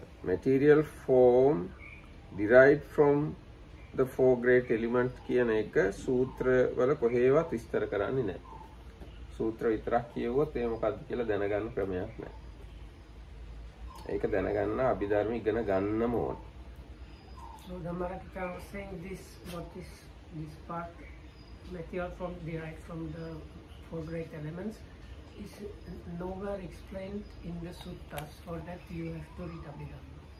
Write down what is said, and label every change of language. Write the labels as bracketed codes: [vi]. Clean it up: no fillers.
[en] Material form derived from the four great elements [si] කියන එක සූත්‍ර වල කොහෙවත් විස්තර කරන්නේ නැහැ. සූත්‍ර විතරක් කියවුවොත් ඒක මොකක්ද කියලා දැනගන්න ක්‍රමයක් නැහැ. ඒක දැනගන්න අභිධර්ම ඉගෙන ගන්න ඕන. [en] So Dhammarakita was saying this part, material from derived from the four great elements, is nowhere explained in the suttas. For that you have to read Abhidhamma.